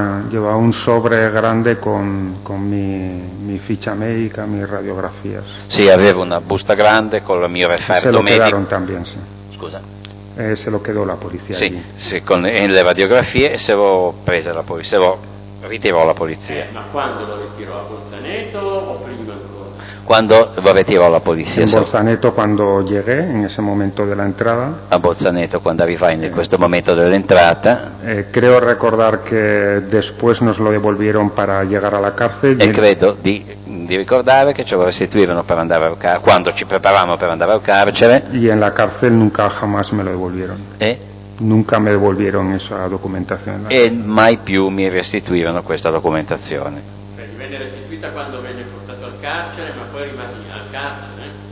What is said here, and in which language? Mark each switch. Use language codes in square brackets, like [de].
[es] llevaba un sobre grande con mi ficha medica, [it] mie radiografie. Sì, aveva una busta grande con il mio referto medico. [es] Se lo quedaron también, sì. [it] Scusa. [es] Se lo quedó la policía. [it] Sí, con le radiografie e se lo prese la policía, se lo ritirò la polizia. Ma quando lo ritirò, a Bolzaneto o prima ancora? Quando lo ritirò la polizia? [es] A Bolzaneto, quando llegué, in ese momento dell'entrata. [it] A Bolzaneto, quando arrivai in questo momento dell'entrata. [es] Creo recordar que después nos lo devolvieron para llegar a la cárcel. [it] E credo di ricordare che ce lo restituirono per andare al carcere, quando ci preparavamo per andare al carcere. [es] Y en la cárcel nunca jamás me lo devolvieron. Nunca me devolvieron esa documentación. [it] E mai più mi restituirono questa documentazione. Cioè, venne restituita quando venne portato al carcere, ma poi rimase al carcere.